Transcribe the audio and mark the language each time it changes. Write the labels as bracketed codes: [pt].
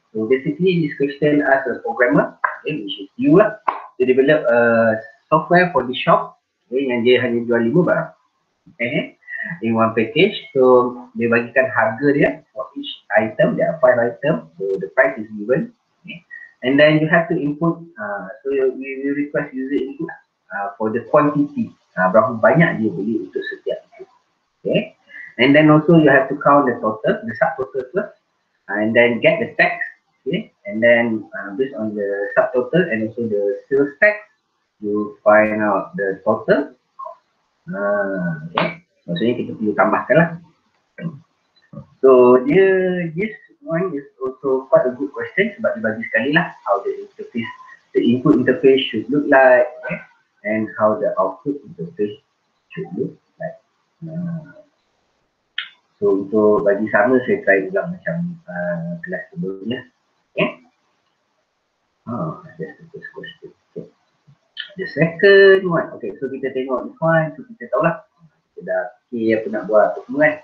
[en] So basically this question as a programmer, okay, which is you lah, to develop a software for the shop, okay, [ms] yang dia hanya jual 5 barang, [en] okay, in one package. [ms] So dia bagikan harga dia [en] for each item. There are 5 items, so the price is given, okay. And then you have to input, so you request user input for the quantity. [ms] Berapa banyak dia beli untuk setiap itu. Okay. [en] And then also you have to count the total, the subtotal first. And then get the tax. Okay. And then based on the subtotal and also the sales tax, you find out the total. Okay. [ms] Maksudnya kita perlu tambahkan lah. [en] So this one is also quite a good question [ms] sebab dia bagi sekali lah [en] how the input interface should look like. Okay. And how the output interface should look like. [ms] So untuk bagi sama, saya try ulang macam kelas sebelumnya. Okay. [en] That's the first question. Okay. The second one. [ms] Okay, so kita tengok this one. So kita tahulah. Kita dah okay apa nak buat apa semua, kan.